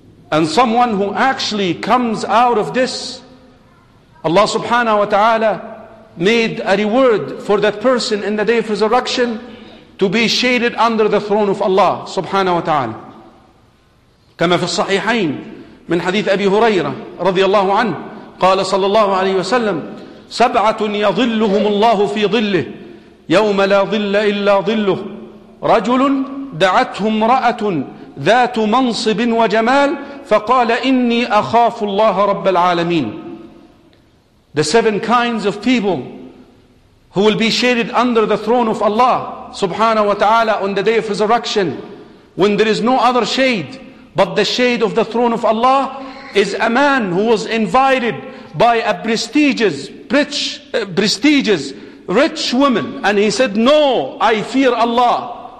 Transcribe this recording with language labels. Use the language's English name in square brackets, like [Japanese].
[English] And someone who actually comes out of this, Allah subhanahu wa ta'ala made a reward for that person in the day of resurrection to be shaded under the throne of Allah subhanahu wa ta'ala. [Arabic] كما في الصحيحين من حديث أبي هريرة رضي الله عنه قال صلى الله عليه وسلم سبعة يظلهم الله في ظله يوم لا ظل إلا ظله رجل دعته امرأة ذات منصب وجمال فقال إني أخاف الله رب العالمين. [English] The seven kinds of people who will be shaded under the throne of Allah subhanahu wa ta'ala on the day of resurrection, when there is no other shade but the shade of the throne of Allah, is a man who was invited by a prestigious rich woman, and he said, no, I fear Allah.